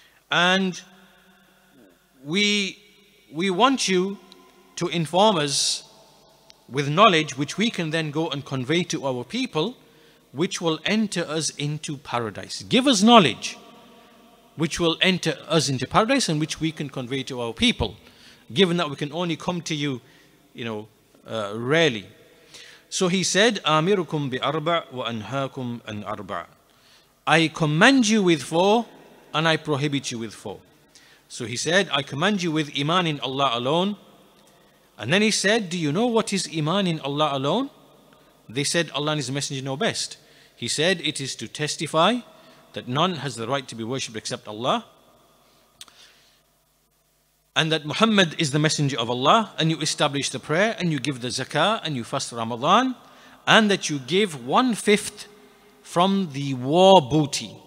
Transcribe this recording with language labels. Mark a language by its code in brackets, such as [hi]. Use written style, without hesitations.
[en] And we want you to inform us with knowledge which we can then go and convey to our people, which will enter us into paradise. Give us knowledge which will enter us into paradise and which we can convey to our people, given that we can only come to you, you know, rarely. So he said, [ar] أَمِرُكُمْ بِأَرْبَعُ وَأَنْهَاكُمْ أَنْ أَرْبَعُ. [en] I command you with four, and I prohibit you with four. So he said, I command you with iman in Allah alone. And then he said, do you know what is iman in Allah alone? They said, Allah and His Messenger know best. He said, it is to testify that none has the right to be worshipped except Allah, and that Muhammad is the Messenger of Allah, and you establish the prayer, and you give the zakah, and you fast Ramadan, and that you give one-fifth from the war booty.